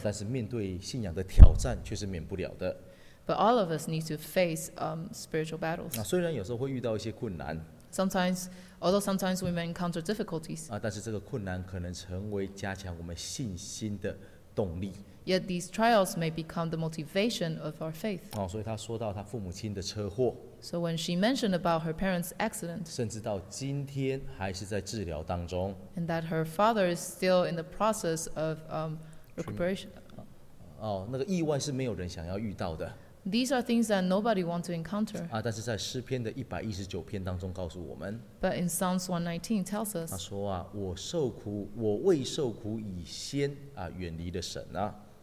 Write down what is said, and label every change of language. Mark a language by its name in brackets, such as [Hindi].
[Chinese] 但是面对信仰的挑战却是免不了的。 [English] But all of us need to face spiritual battles. [Chinese] 虽然有时候会遇到一些困难。 [English] Sometimes, although sometimes we may encounter difficulties. [Chinese] 但是这个困难可能成为加强我们信心的动力。 [English] Yet these trials may become the motivation of our faith. [Chinese] 所以她说到她父母亲的车祸。 [English] So when she mentioned about her parents' accident. [Chinese] 甚至到今天还是在治疗当中。 [English] And that her father is still in the process of recuperation. [Chinese] 那个意外是没有人想要遇到的。 [English] These are things that nobody wants to encounter. [Chinese] 但是在诗篇的119篇当中告诉我们。 [English] But in Psalms 119 tells us. [Chinese] 他说我受苦，我未受苦以先远离了神啊。